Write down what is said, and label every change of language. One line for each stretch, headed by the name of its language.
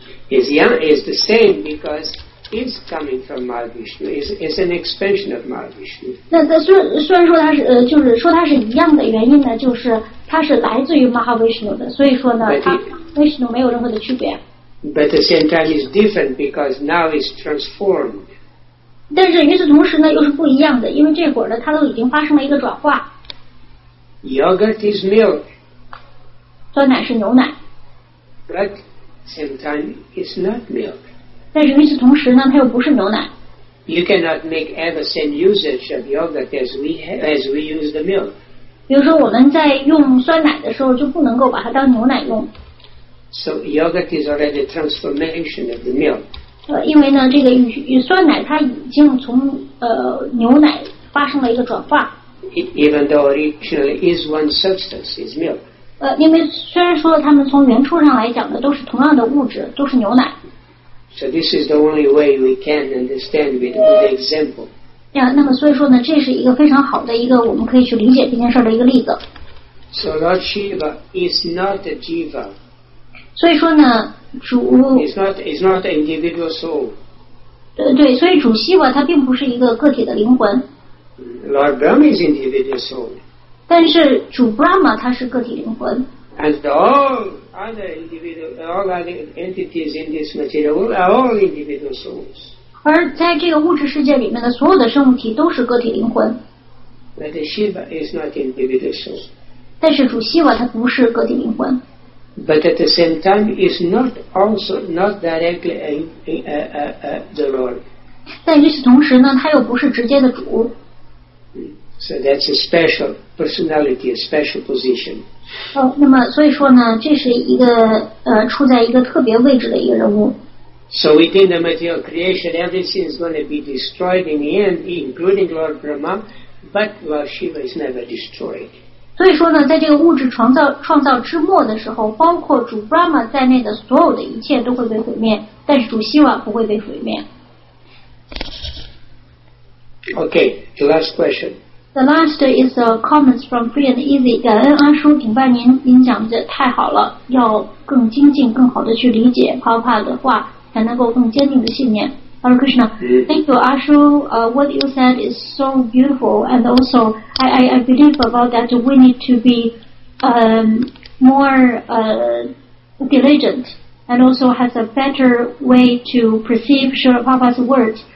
English: Is the same because it's coming from Mahavishnu. It's an expansion of Mahavishnu.
Chinese: 那虽然说它是就是说它是一样的原因呢，就是它是来自于 Mahavishnu 的，所以说呢，它 Vishnu 没有任何的区别。
English: But at the same time is different because now it's transformed.
Chinese: 但是与此同时呢，又是不一样的，因为这会儿呢，它都已经发生了一个转化。
English: Yogurt is milk.
Chinese: 酸奶是牛奶。
English: But same time, it's not milk.
Chinese: 但是与此同时呢，它又不是牛奶。
English: You cannot make ever same usage of yogurt as we use the milk.
Chinese: 比如说我们在用酸奶的时候，就不能够把它当牛奶用。
English: So yogurt is already a transformation of the milk.
Chinese: 因为呢，这个与酸奶它已经从牛奶发生了一个转化。
English: Even though originally is one substance, is milk.
Chinese: 因为虽然说他们从原初上来讲的都是同样的物质，都是牛奶。
English: So this is the only way we can understand with the example.
Chinese: 呀，那么所以说呢，这是一个非常好的一个我们可以去理解这件事的一个例子。
English: So Lord Shiva is not a jiva.
Chinese: 所以说呢，主。
English: It's not an individual soul.
Chinese: 对，所以主希瓦他并不是一个个体的灵魂。
English: Lord Brahma is individual soul.
Chinese: 但是主 Brahma 他是个体灵魂
English: and all other individual all other entities in this material world are all individual souls
Chinese: 而在这个物质世界里面的所有的生物体都是个体灵魂
English: but Shiva is not individual soul
Chinese: 但是主 Shiva 他不是个体灵魂
English: but at the same time is not also not directly the Lord
Chinese: 但与此同时呢他又不是直接的主
English: So that's a special personality, a special position.
Chinese: 那么所以说呢，这是一个处在一个特别位置的一个人物。
English: So within the material creation, everything is going to be destroyed in the end, including Lord Brahma. But Lord Shiva is never destroyed.
Chinese: 所以说呢，在这个物质创造之末的时候，包括主 Brahma 在内的所有的一切都会被毁灭，但是主希瓦不会被毁灭。
English: Okay, the last question. The last is a comments from Free and Easy.
Chinese: 感恩阿叔，顶拜您，您讲的太好了，要更精进，更好的去理解帕帕的话，才能够更坚定的信念。
English: Hare Krishna. Thank you, 阿叔。 What you said is so beautiful, and also I believe about that we need to be more diligent and also has a better way to perceive Srila Prabhupada's words.